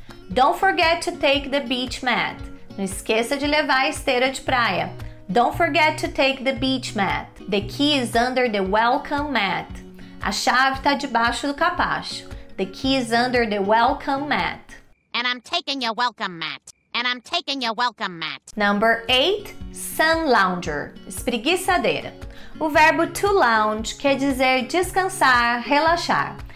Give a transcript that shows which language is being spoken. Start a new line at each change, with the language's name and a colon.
English: Don't forget to take the beach mat.
Portuguese: Não esqueça de levar a esteira de praia.
English: Don't forget to take the beach mat. The key is under the welcome mat.
Portuguese: A chave está debaixo do capacho.
English: The key is under the welcome mat. And I'm taking your welcome mat. And I'm taking your welcome mat. Number 8, sun lounger, espreguiçadeira.
Portuguese: O verbo to lounge quer dizer descansar, relaxar.